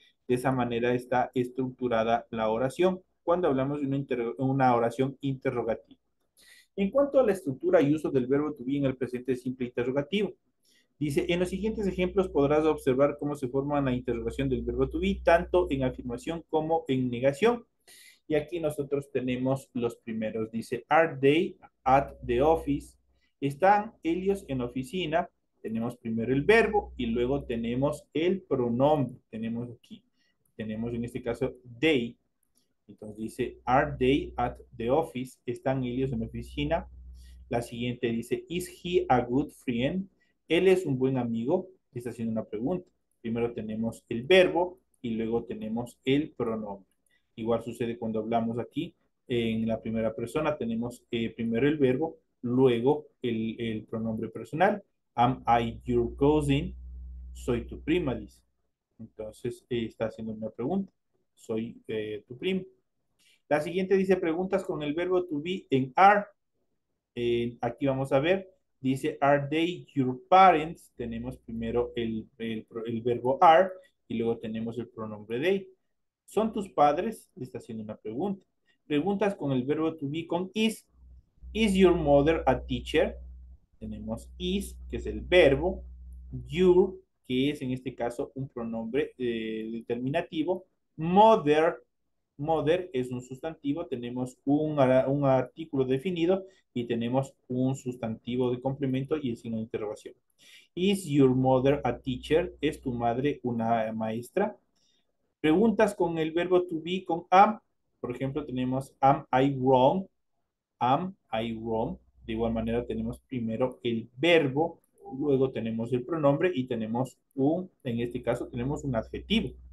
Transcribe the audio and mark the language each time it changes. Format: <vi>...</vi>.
<es>De esa manera está estructurada la oración cuando hablamos de una oración interrogativa. En cuanto a la estructura y uso del verbo to be en el presente simple interrogativo, dice, en los siguientes ejemplos podrás observar cómo se forma la interrogación del verbo to be, tanto en afirmación como en negación. Y aquí nosotros tenemos los primeros.</es> <en>Dice, are they at the office?</en> <es>¿Están ellos en oficina? Tenemos primero el verbo y luego tenemos el pronombre. Tenemos aquí, tenemos en este caso they.</es> <en>Entonces dice, are they at the office?</en> <es>¿Están ellos en la oficina? La siguiente dice,</es> <en>is he a good friend?</en> <es>¿Él es un buen amigo? Está haciendo una pregunta. Primero tenemos el verbo y luego tenemos el pronombre. Igual sucede cuando hablamos aquí en la primera persona. Tenemos primero el verbo, luego el pronombre personal.</es> <en>Am I your cousin?</en> <es>Soy tu prima, dice. Entonces está haciendo una pregunta. Soy tu primo. La siguiente dice, preguntas con el verbo to be en are. Aquí vamos a ver.</es> <en>Dice, are they your parents?</en> <es>Tenemos primero el verbo are y luego tenemos el pronombre they. ¿Son tus padres? Le está haciendo una pregunta. Preguntas con el verbo to be con is.</es> <en>Is your mother a teacher?</en> <es>Tenemos is, que es el verbo. Your, que es en este caso un pronombre determinativo. Mother, Mother es un sustantivo, tenemos un artículo definido y tenemos un sustantivo de complemento y el signo de interrogación.</es> <en>Is your mother a teacher?</en> <es>¿Es tu madre una maestra? Preguntas con el verbo to be con am. Por ejemplo, tenemos</es> <en>am I wrong? Am I wrong?</en> <es>De igual manera, tenemos primero el verbo, luego tenemos el pronombre y tenemos un, en este caso, tenemos un adjetivo.</es>